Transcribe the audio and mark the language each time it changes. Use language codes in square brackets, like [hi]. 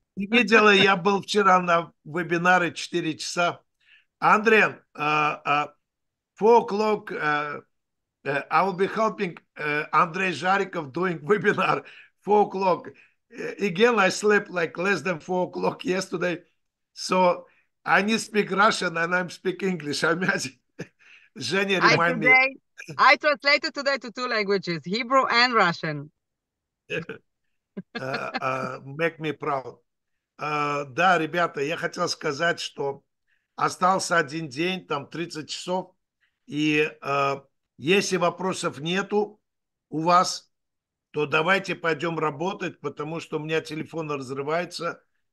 [ru] Не видела, я был вчера на вебинаре 4 часа. [en] Андрей, 4 o'clock, I will be helping Андрей Жариков doing webinar 4 o'clock. Again, I slept like less than 4 o'clock yesterday. So I need to speak Russian and I'm speak English. I imagine. Женя, remind me. I translated today to two languages, Hebrew and Russian. make me proud. [ru] Да, ребята, я хотел сказать, что остался один день, там 30 часов. И если вопросов нету у вас, то давайте пойдем работать, потому что у меня телефон разрывается.